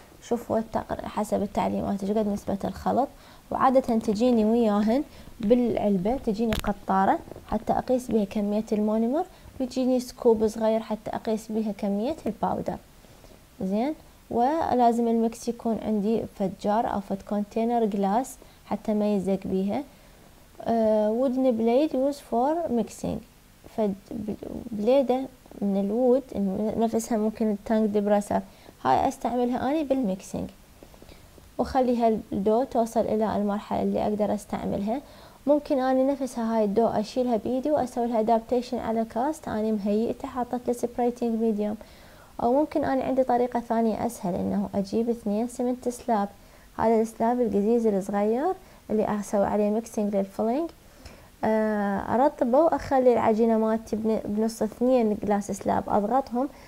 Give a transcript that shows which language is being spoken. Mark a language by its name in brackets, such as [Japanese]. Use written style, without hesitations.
[Arabic] شوفوا حسب التعليمات ايش قد نسبه الخلط، وعاده تجيني وياهن بالعلبه تجيني قطاره حتى اقيس بها كميه المونومر، ويجيني سكوب صغير حتى اقيس بها كميه الباودر زين. ولازم المكس يكون عندي فجار او فت كونتينر جلاس حتى ما يزق بيها. [English] wooden blade used for mixing. [Arabic] فبليده من الود نفسها ممكن التانك دبراسه هاي استعملها اني بالميكسينج، وخليها الدو توصل الى المرحله اللي اقدر استعملها. ممكن اني نفسها هاي الدو اشيلها بايدي واسوي لها ادابتيشن على كاست اني مهيئته حاطه له سبريتنج ميديوم، او ممكن اني عندي طريقه ثانيه اسهل انه اجيب 2 سمنت سلاب، هذا السلاب القزيز الصغير اللي اسوي عليه ميكسينج للفلينج، ارطبه واخلي العجينه مالتي بنص 2 جلاس سلاب اضغطهم.